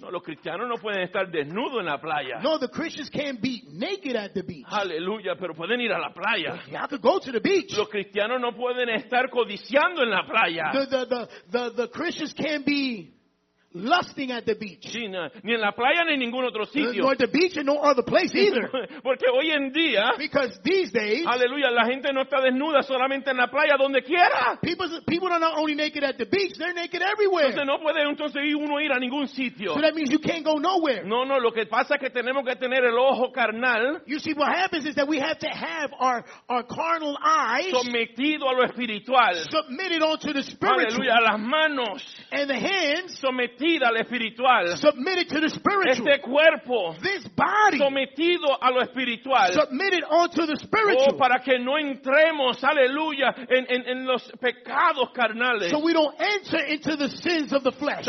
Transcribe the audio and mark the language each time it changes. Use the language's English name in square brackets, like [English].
[Spanish] No, los cristianos no pueden estar desnudos en la playa. [English] No, the Christians can't be naked at the beach. [Spanish] Aleluya, pero pueden ir a la playa. [English] They have to go to the beach. [Spanish] Los cristianos no pueden estar codiciando en la playa. [English] The Christians can't be lusting at the beach. [Spanish] Sí, no, ni en la playa ni en ningún otro sitio. [English] Nor at the beach and no other place either. [Spanish] Porque hoy en día, [English] because these days, [Spanish] aleluya, la gente no está desnuda solamente en la playa, donde quiera. [English] People are not only naked at the beach, they're naked everywhere. [Spanish] Entonces no puede entonces uno ir a ningún sitio. [English] So that means you can't go nowhere. [Spanish] No, lo que pasa es que tenemos que tener el ojo carnal. [English] You see, what happens is that we have to have our carnal eyes [Spanish] sometido a lo espiritual. [English] Submitted onto the spiritual. [Spanish] Aleluya, las manos. [English] And the hands [Spanish] sometido al espiritual. [English] Submitted to the spiritual. [Spanish] Este cuerpo, [English] this body, [Spanish] sometido a lo espiritual. [English] Submitted onto the spiritual. [Spanish] Oh, para que no entremos, aleluya, en los pecados carnales. [English] So we don't enter into the sins of the flesh.